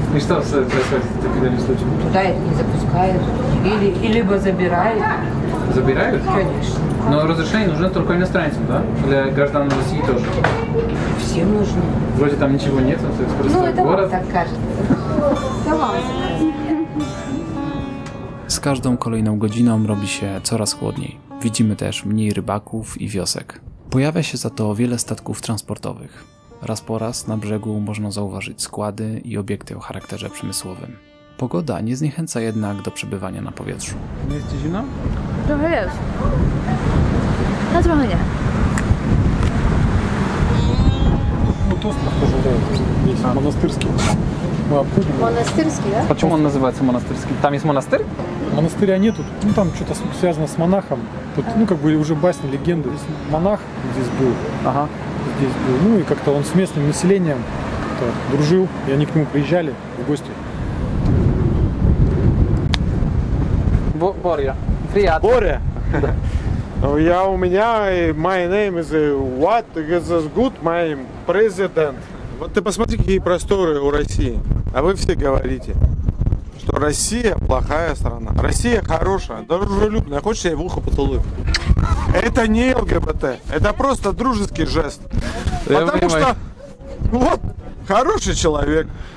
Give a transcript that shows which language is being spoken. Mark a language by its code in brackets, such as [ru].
[ru] И что происходит в таком случае? Туда их не запускают. Либо забирают. Забирают? Конечно. Но разрешение нужно только иностранцам, да? Для граждан России тоже? Всем нужно. Вроде там ничего нет, то есть просто город. Ну, это город. Вам так кажется. [pl] Z każdą kolejną godziną robi się coraz chłodniej. Widzimy też mniej rybaków i wiosek. Pojawia się za to wiele statków transportowych. Raz po raz na brzegu można zauważyć składy i obiekty o charakterze przemysłowym. Pogoda nie zniechęca jednak do przebywania na powietrzu. Nie jest ci zimno? Trochę jest. Na trochę nie. [ru] Кутузов тоже, да, есть монастырский. Монастырский, да? Почему он называется монастырский? Там есть монастырь? Монастыря нету. Ну, там что-то связано с монахом. Тут, ну, как бы уже басни, легенды. Здесь монах здесь был. Ага. Здесь был. Ну, и как-то он с местным населением дружил. И они к нему приезжали в гости. Боря. Приятно. Боря. Я у меня, [en] my name is what is this good, my president. [ru] Вот ты посмотри, какие просторы у России. А вы все говорите, что Россия плохая страна. Россия хорошая, дружелюбная. Хочешь, я в ухо поцелую? Это не ЛГБТ, это просто дружеский жест. Я потому понимаю. Что вот хороший человек,